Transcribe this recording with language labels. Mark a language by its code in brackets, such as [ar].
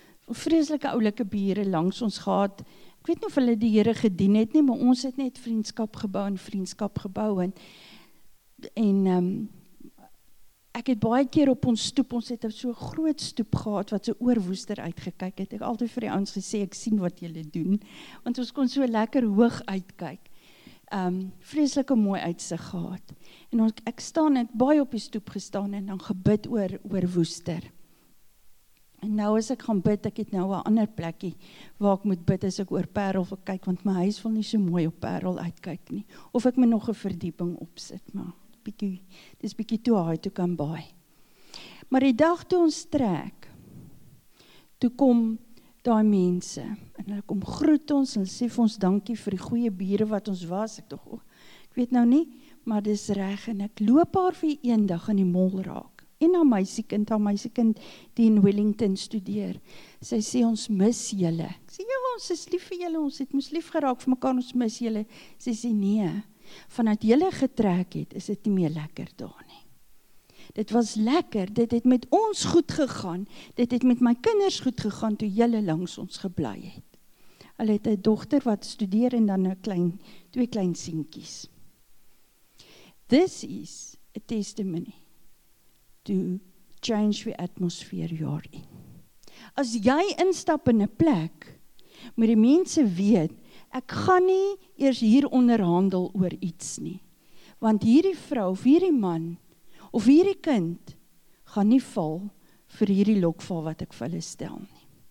[af] Vreeslike oulike bure langs ons gehad. Ek weet nie of hulle die Here gedien het nie, maar ons het net vriendskap gebou en ek het baie keer op ons stoep, ons het so groot stoep gehad, wat so oor Woester uitgekyk het. Ek altyd vir die ouens gesê, ek sien wat julle doen, want ons kon so lekker hoog uitkyk. Vreselike mooi uitsig gehad. En ek staan, ek baie op die stoep gestaan en dan gebid oor Woester. En nou as ek gaan bid, ek het nou 'n ander plekkie waar ek moet bid as ek oor Parel wil kyk, want my huis wil nie so mooi op Parel uitkyk nie. Of ek my nog 'n verdieping opsit, maar dit is bietjie [en] too high to come by. [af] Maar die dag toe ons trek, toe kom daai mense, en hulle kom groet ons, en sê vir ons dankie vir die goeie bure wat ons was, ek weet nou nie, maar dis reg, en ek loop haar vir een dag in die mol raak, en aan my sekind, die in Wellington studeer, sy sê ons mis julle, ek sê ja, ons is lief vir julle, ons het mos lief geraak vir mekaar, ons mis julle, sy sê nee, vanuit julle getrek het, is dit nie meer lekker daar nie. Dit was lekker, dit het met ons goed gegaan, dit het met my kinders goed gegaan, toe julle langs ons gebly het. Hulle het 'n dogter wat studeer, en dan twee klein seentjies. [en] This is a testimony to change the atmosphere you are in. [af] As jy instap in 'n plek, moet die mense weet, ek gaan nie eers hier onderhandel oor iets nie. Want hierdie vrou of hierdie man of hierdie kind gaan nie val vir hierdie lokval wat ek vir hulle stel nie.